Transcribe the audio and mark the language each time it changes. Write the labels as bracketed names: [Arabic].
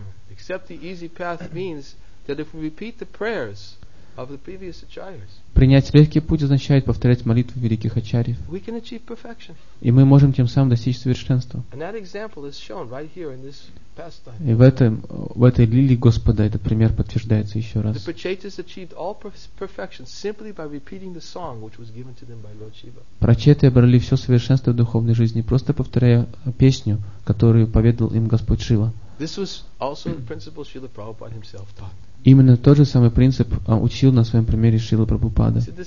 [English] Accept the easy path means that if we repeat the prayers of the previous acharyas, [Russian] принять легкий путь означает повторять молитвы великих ачарьев. [English] We can achieve perfection. [Russian] И мы можем тем самым достичь совершенства. [English] And that example is shown right here in this pastime. [Russian] И в этой лилии Господа этот пример подтверждается еще раз. [English] The Prachetas achieved all perfection simply by repeating the song which was given to them by Lord Shiva. [Russian] Прачеты обрели все совершенство в духовной жизни, просто повторяя песню, которую поведал им Господь Шива. [English] This was also the principle Srila Prabhupada himself taught. [Russian] Именно тот же самый принцип учил на своем примере Шрила Прабхупада.